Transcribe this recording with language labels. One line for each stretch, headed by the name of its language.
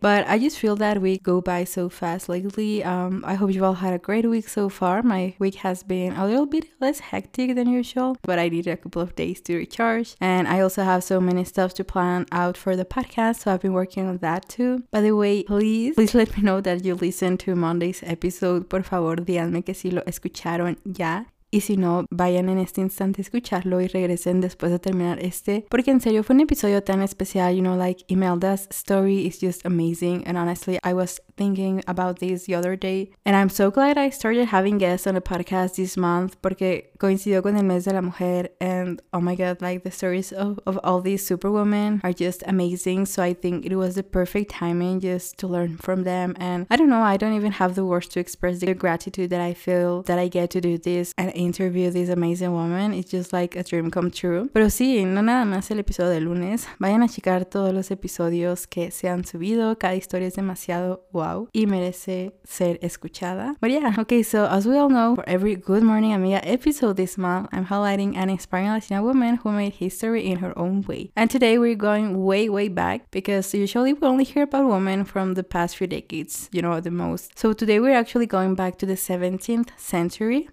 English: But I just feel that week go by so fast lately. I hope you all had a great week so far. My week has been a little bit less hectic than usual, but I needed a couple of days to recharge. And I also have so many stuff to plan out for the podcast, so I've been working on that too. By the way, please let me know that you listened to Monday's episode.
Spanish: Por favor, díganme que sí lo escucharon ya. Y si no, vayan en este instante a escucharlo y regresen después de terminar este. Porque en serio, fue un episodio tan especial.
English: You know, like, Imelda's story is just amazing. And honestly, I was thinking about this the other day. And I'm so glad I started having guests on the podcast this month.
Spanish: Porque coincidió con el mes de la mujer.
English: And oh my God, like, the stories of all these superwomen are just amazing. So I think it was the perfect timing just to learn from them. And I don't know, I don't even have the words to express the gratitude that I feel that I get to do this and interview this amazing woman. It's just like a dream come true.
Spanish: Pero sí, no nada más el episodio de lunes. Vayan a checar todos los episodios que se han subido. Cada historia es demasiado wow y merece ser escuchada.
English: But yeah, okay, so as we all know, for every Good Morning Amiga episode this month, I'm highlighting an inspiring Latina woman who made history in her own way. And today we're going way, way back, because usually we only hear about women from the past few decades, you know, the most. So today we're actually going back to the 17th century.